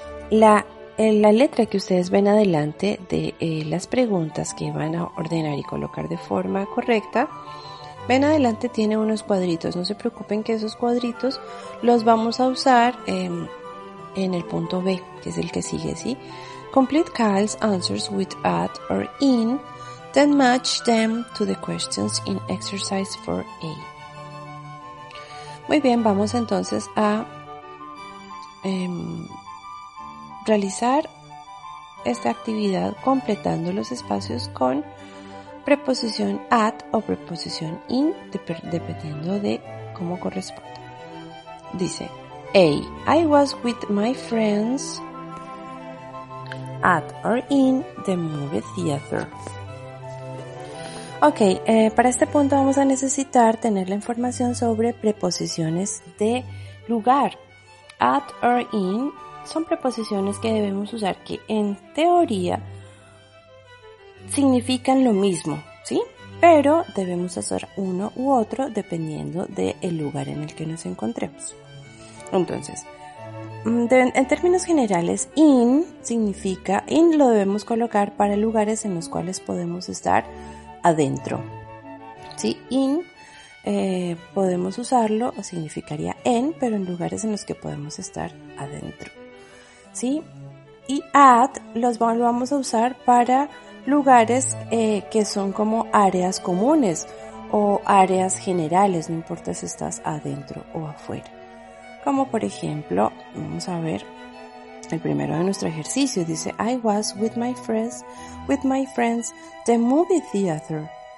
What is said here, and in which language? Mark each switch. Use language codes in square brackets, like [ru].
[es] La letra que ustedes ven adelante de las preguntas que van a ordenar y colocar de forma correcta, ven adelante tiene unos cuadritos. No se preocupen que esos cuadritos los vamos a usar en el punto B, que es el que sigue, ¿sí? [en] Complete Kyle's answers with at or in, then match them to the questions in exercise 4A. [es] Muy bien, vamos entonces a realizar esta actividad completando los espacios con preposición at o preposición in, dependiendo de cómo corresponda. Dice, A. [en] I was with my friends at or in the movie theater. [es] Ok, para este punto vamos a necesitar tener la información sobre preposiciones de lugar. At or in son preposiciones que debemos usar, que en teoría significan lo mismo, ¿sí? Pero debemos usar uno u otro dependiendo del lugar en el que nos encontremos. Entonces, en términos generales, in lo debemos colocar para lugares en los cuales podemos estar adentro, ¿sí? In, podemos usarlo, significaría en, pero en lugares en los que podemos estar adentro, ¿sí? Y at, lo vamos a usar para lugares que son como áreas comunes o áreas generales, no importa si estás adentro o afuera. Como por ejemplo, vamos a ver el primero de nuestro ejercicio. Dice, [en] I was with my friends, the movie theater.